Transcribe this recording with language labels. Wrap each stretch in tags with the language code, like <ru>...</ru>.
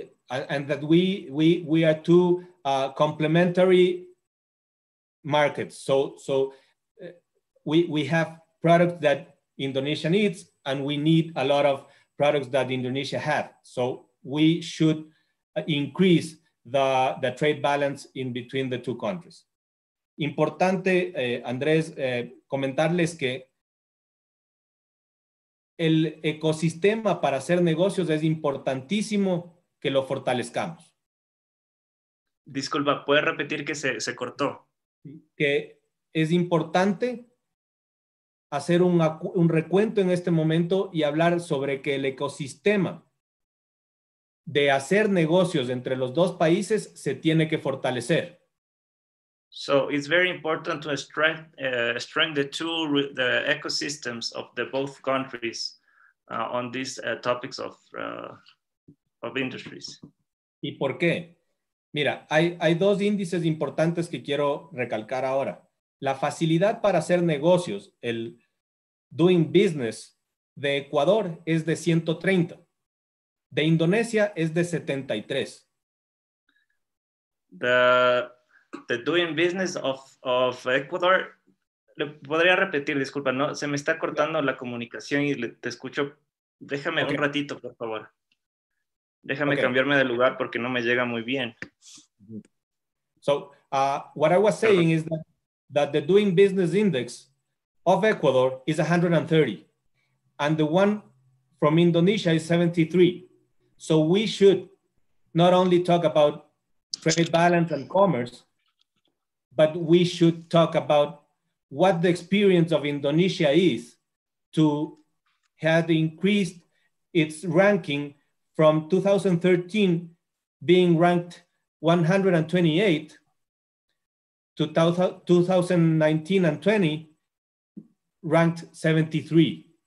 <en>And that we are two complementary markets. So we have products that Indonesia needs, and we need a lot of products that Indonesia has. So we should increase the trade balance in between the two countries.</en> <es>Importante, Andrés, comentarles que el ecosistema para hacer negocios es importantísimo que lo fortalezcamos. Disculpa, ¿puedes repetir que se cortó? Que es importante hacer un recuento en este momento y hablar sobre que el ecosistema de hacer negocios entre los dos países se tiene que fortalecer.</es> <en>So it's very important to strengthen the ecosystems of the both countries on these topics of industries.</en> <es>¿Y por qué? Mira, hay dos índices importantes que quiero recalcar ahora. La facilidad para hacer negocios, el doing business de Ecuador es de 130. De Indonesia es de 73.</es> <en>The doing business of Ecuador,</en> <es>le podría repetir, disculpa, no, se me está cortando la comunicación y te escucho. Déjame un ratito, por favor. Déjame cambiarme de lugar porque no me llega muy bien.</es> <en>So, what I was saying is that the doing business index of Ecuador is 130 and the one from Indonesia is 73. So we should not only talk about trade balance and commerce, but we should talk about what the experience of Indonesia is to have increased its ranking from 2013 being ranked 128 to 2019 and 20 ranked 73.</en>